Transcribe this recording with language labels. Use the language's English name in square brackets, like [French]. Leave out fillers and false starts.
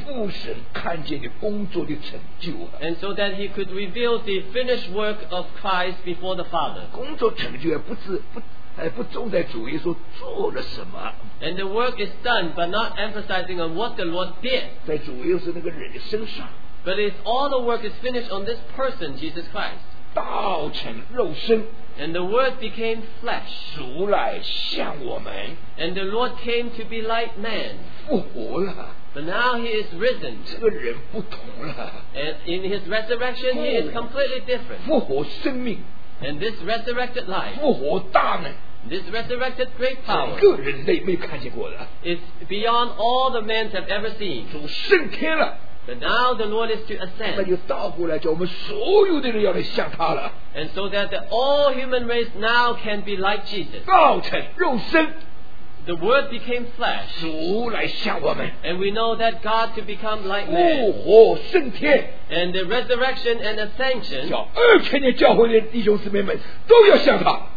[Chinese] 让父神看见你工作的成就、啊、 [English] And so that he could reveal the finished work of Christ before the Father. [Chinese] 工作成就不重在主耶稣做了什么。 [English] And the work is done, but not emphasizing on what the Lord did. [Chinese] 在主耶稣那个人的身上。 [English] But if all the work is finished on this person, Jesus Christ. [Chinese] 道成肉身。 [English] And the Word became flesh. [Chinese] 主来像我们。 [English] And the Lord came to be like man. [Chinese] 复活了 [English] But now he is risen. [Chinese] 这个人不同了 [English] And in his resurrection, he is completely different. [Chinese] 复活生命 [English] And this resurrected life. [Chinese] 复活大能 [English] This resurrected great power [Chinese] 个人类没有看见过的, [English] is beyond all the men have ever seen. [Chinese] 主升天了, [English] but now the Lord is to ascend. [Chinese] 那就倒过来叫我们所有的人要来向他了, [English] and so that the all human race now can be like Jesus. [Chinese] 道成肉身, [English] the Word became flesh. [Chinese] 主来向我们, [English] and we know that God to become like man. [Chinese] 复活升天, [English] and the resurrection and ascension. [Chinese] 叫2000年教会的弟兄姊妹们都要向他,